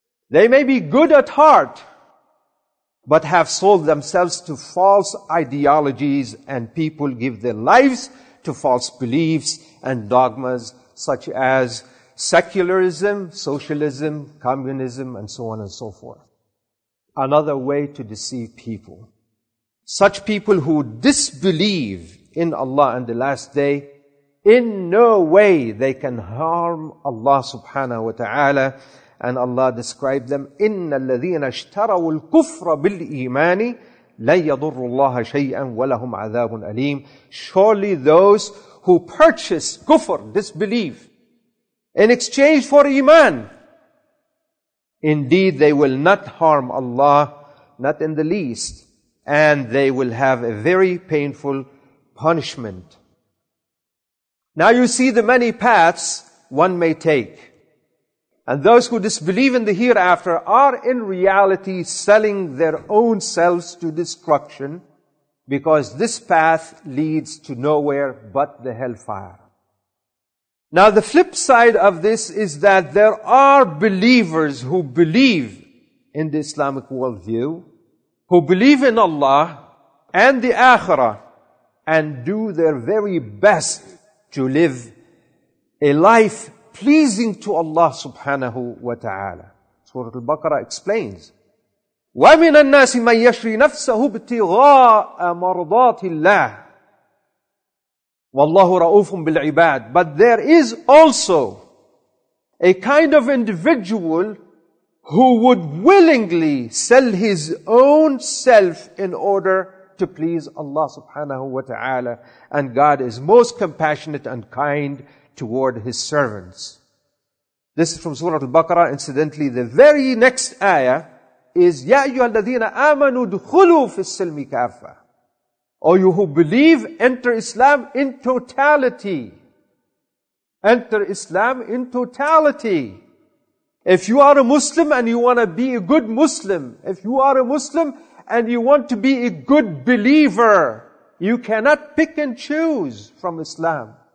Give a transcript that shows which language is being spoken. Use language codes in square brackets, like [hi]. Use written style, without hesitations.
[en] They may be good at heart, but have sold themselves to false ideologies, and people give their lives to false beliefs and dogmas such as secularism, socialism, communism, and so on and so forth. Another way to deceive people. Such people who disbelieve in Allah and the last day, in no way they can harm Allah subhanahu wa ta'ala. And Allah described them, [ar] إِنَّ الَّذِينَ اشْتَرَوُوا الْكُفْرَ بِالْإِيمَانِ لَنْ يَضُرُّ اللَّهَ شَيْئًا وَلَهُمْ عَذَابٌ أَلِيمٌ. [en] Surely those who purchase kufr, disbelief, in exchange for iman, indeed they will not harm Allah, not in the least, and they will have a very painful punishment. Now you see the many paths one may take. And those who disbelieve in the hereafter are in reality selling their own selves to destruction, because this path leads to nowhere but the hellfire. Now the flip side of this is that there are believers who believe in the Islamic worldview, who believe in Allah and the Akhirah, and do their very best to live a life pleasing to Allah subhanahu wa ta'ala. Surah Al-Baqarah explains, [ar] وَمِنَ النَّاسِ مَنْ يَشْرِي نَفْسَهُ ابْتِغَاءَ مَرْضَاتِ اللَّهِ وَاللَّهُ رَؤُوفٌ بِالْعِبَادِ. [en] But there is also a kind of individual who would willingly sell his own self in order to please Allah subhanahu wa ta'ala, and God is most compassionate and kind toward His servants. This is from Surah Al-Baqarah. Incidentally, the very next ayah is, [ar] يَا أَيُّهَا الَّذِينَ آمَنُوا دُخُلُوا فِي السِّلْمِ كَافَّةِ. [en] O you who believe, enter Islam in totality. Enter Islam in totality. If you are a Muslim and you want to be a good Muslim, if you are a Muslim and you want to be a good believer, you cannot pick and choose from Islam.